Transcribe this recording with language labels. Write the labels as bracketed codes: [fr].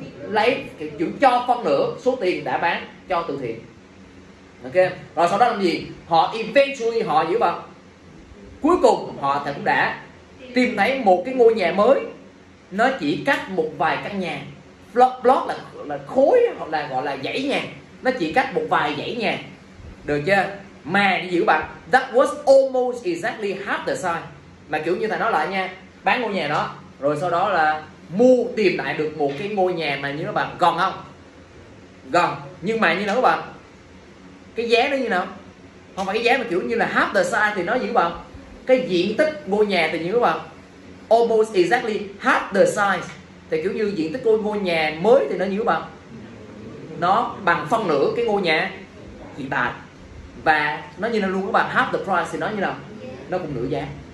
[vi] Lấy kiểu cho phân nửa số tiền đã bán cho từ thiện. Ok. Rồi sau đó làm gì? Họ eventually họ giữ bạn. Cuối cùng họ cũng đã tìm thấy một cái ngôi nhà mới. Nó chỉ cách một vài căn nhà, block là khối hoặc là gọi là dãy nhà, nó chỉ cách một vài dãy nhà. Được chưa? Mà như vậy các bạn, [en] that was almost exactly half the size. [vi] Mà kiểu như thầy nói lại nha, bán ngôi nhà đó rồi sau đó là mua tìm lại được một cái ngôi nhà mà như các bạn gần không? Gần. Nhưng mà như nào các bạn? Cái giá nó như nào? Không phải cái giá mà kiểu như là half the size, thì nó như các bạn, cái diện tích ngôi nhà thì như các bạn [en] almost exactly half the size, [vi] thì kiểu như diện tích ngôi nhà mới thì nó như các bạn, nó bằng phân nửa cái ngôi nhà hiện tại, và nó như nó luôn các bạn, [en] half the price [vi] thì nó như nào, nó cũng nửa giá.